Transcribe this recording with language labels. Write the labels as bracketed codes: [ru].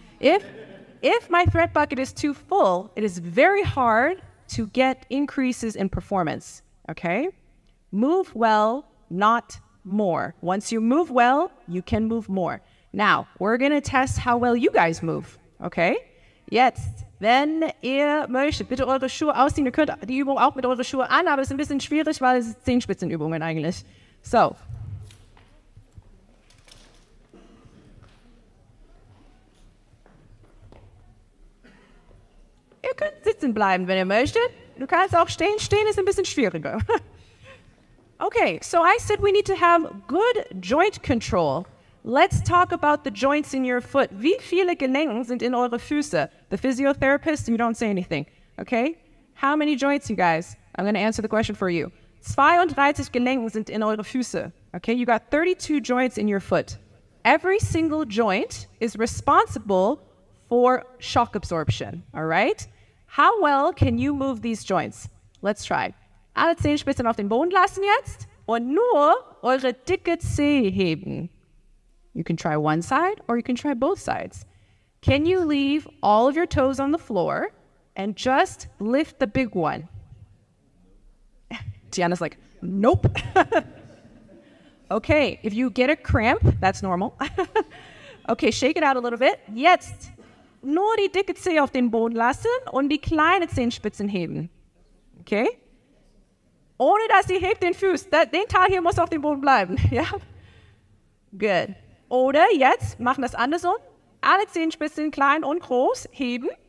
[en] If my threat bucket is too full, it is very hard to get increases in performance, okay? Move well, not more. Once you move well, you can move more. Now, we're gonna test how well you guys move, okay? [de] Jetzt, wenn ihr möchtet, bitte eure Schuhe ausziehen. Ihr könnt die Übung auch mit euren Schuhen an, aber es ist ein bisschen schwierig, weil es Zehenspitzenübungen eigentlich. So. Ihr könnt sitzen bleiben, wenn ihr möchtet. Du kannst auch stehen. Stehen ist ein bisschen schwieriger. [en] Okay, so I said we need to have good joint control. Let's talk about the joints in your foot. [de] Wie viele Gelenken sind in eure Füße? [en] The physiotherapist, you don't say anything, okay? How many joints, you guys? I'm gonna answer the question for you. [de] 32 Gelenken sind in eure Füße. [en] Okay, you got 32 joints in your foot. Every single joint is responsible for shock absorption, all right? How well can you move these joints? Let's try. [de] Alle Zehenspitzen auf den Boden lassen jetzt und nur eure dicke Zehe heben. [en] You can try one side or you can try both sides. Can you leave all of your toes on the floor and just lift the big one? Tiana's like, nope. Okay, if you get a cramp, that's normal. Okay, shake it out a little bit. [de] Jetzt nur die dicke Zehe auf den Boden lassen und die kleine Zehenspitzen heben. Okay? Ohne dass ihr hebt den Fuß, den Teil hier muss auf dem Boden bleiben, ja? [en] Yeah. Good. [de] Oder jetzt machen das andersrum. Alle Zehenspitzen klein und groß heben.